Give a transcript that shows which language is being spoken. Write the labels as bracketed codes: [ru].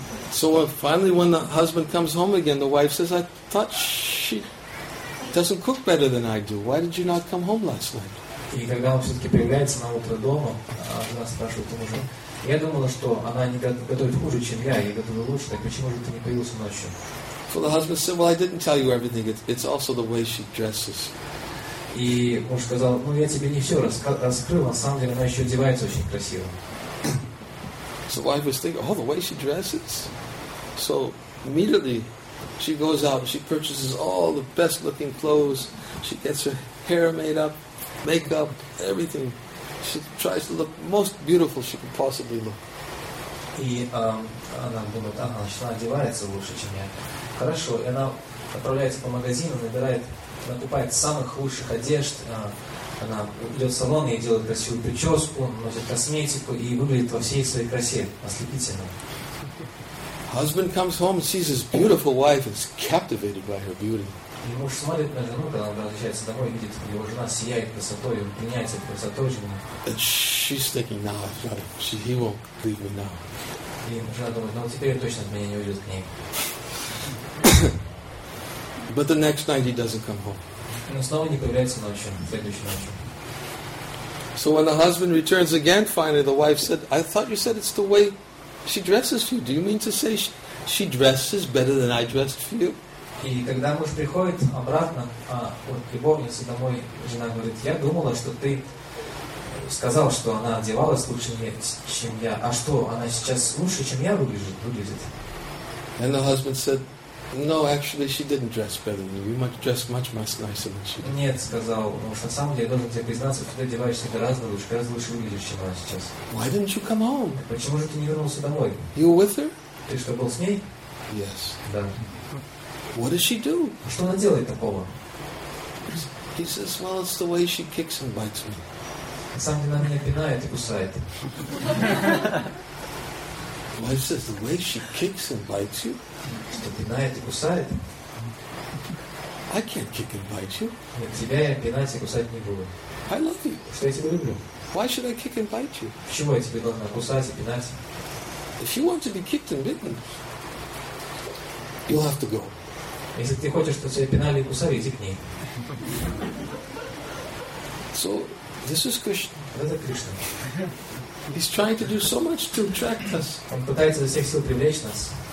[en] So finally, when the husband comes home again, the wife says, I thought she doesn't cook better than I do. Why did you not come home last night? [ru] И когда он все-таки появляется на утро дома, жена спрашивает у мужа, я думала, что она не готовит хуже, чем я, я готовлю лучше, так почему же ты не появился ночью? [en] For the husband said, well, I didn't tell you everything. It's also the way she dresses. [ru] И муж сказал, ну я тебе не все раскрыл, на самом деле она еще одевается очень красиво. [en] So wife was thinking, oh, the way she dresses? So immediately she goes out and she purchases all the best looking clothes. She gets her hair made up, makeup, everything. She tries to look most beautiful she could possibly look. [ru] И она думает, ага, значит, она одевается лучше, чем я. Хорошо, и она отправляется по магазину, накупает самых лучших одежд, она идет в салон, ей делает красивую прическу, носит косметику и выглядит во всей своей красе, ослепительно. [en] Husband comes home and sees his beautiful wife and is captivated by her beauty. [ru] И муж смотрит на жену, когда он возвращается домой, видит, его жена сияет красотой, он пленяется этой красотой жены. [en] And she's thinking, no, he won't leave me now. [ru] И жена думает, ну теперь он точно от меня не уйдет к ней. [en] But the next night he doesn't come home. [ru] Но снова не появляется ночью, следующей ночью. [en] So when the husband returns again, finally the wife said, I thought you said it's the way she dresses for you. Do you mean to say she dresses better than I dressed for you? [ru] И когда муж приходит обратно от любовницы домой, жена говорит, я думала, что ты сказал, что она одевалась лучше, чем я. А что, она сейчас лучше, чем я выглядит? [en] And the husband said, No, actually, she didn't dress better than you. You dressed much, much nicer than she did. [ru] Нет, сказал. На самом деле, я должен тебе признаться, что ты одеваешься гораздо лучше выглядишь, чем она сейчас. [en] Why didn't you come home? [ru] Почему же ты не вернулся домой? [en] You were with her? [ru] Ты что, был с ней? [en] Yes. [ru] Да. [en] What does she do? [ru] Что она делает такого? [en] He says, well, it's the way she kicks and bites me. [ru] На самом деле, она меня пинает и кусает. [en] Why is this the way she kicks and bites you? [ru] Что пинает и кусает? [en] I can't kick and bite you. [ru] Нет, тебя я пинать и кусать не буду. [en] I love you. [ru] Что я тебя люблю? [en] Why should I kick and bite you? [ru] Почему я тебе должна кусать и пинать? [en] If you want to be kicked and bitten, you'll have to go. [ru] Если ты хочешь, чтобы тебя пинали и кусали, иди к ней. [en] So, this is Krishna. [ru] Вот это Кришна. [en] He's trying to do so much to attract us. [ru] Он пытается изо всех сил привлечь нас.